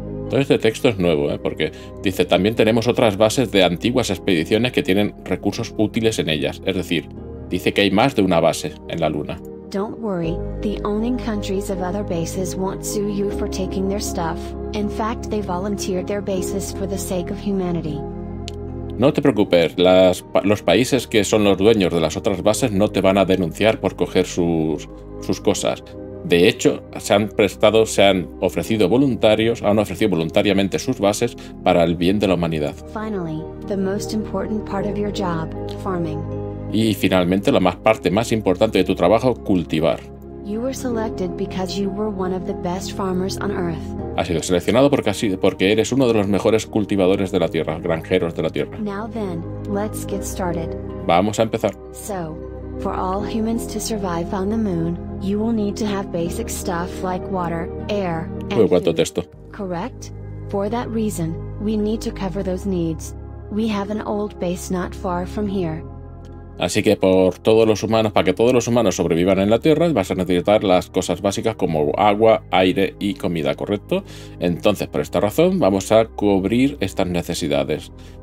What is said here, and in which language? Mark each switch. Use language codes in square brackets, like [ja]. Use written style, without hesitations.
[es] Todo este texto es nuevo, porque dice, también tenemos otras bases de antiguas expediciones que tienen recursos útiles en ellas. Es decir, dice que hay más de una base en la luna. [en] Don't worry, the owning countries of other bases won't sue you for taking their stuff. In fact, they volunteered their bases for the sake of humanity. [es] No te preocupes, los países que son los dueños de las otras bases no te van a denunciar por coger sus cosas. De hecho, han ofrecido voluntariamente sus bases para el bien de la humanidad. [en] Finally, the most important part of your job, farming. [es] Y finalmente, la parte más importante de tu trabajo, cultivar. [en] You were selected because you were one of the best farmers on Earth. [es] Has sido seleccionado porque eres uno de los mejores cultivadores de la Tierra, granjeros de la Tierra. [en] Now then, let's get started. [es] Vamos a empezar. [en] So, for all humans to survive on the moon, you will need to have basic stuff like water, air, and food. Correct? For that reason, we need to cover those needs. We have an old base not far from here. [es] Así que para que todos los humanos sobrevivan en la Tierra, vas a necesitar las cosas básicas como agua, aire y comida, ¿correcto? Entonces, por esta razón, vamos a cubrir estas necesidades.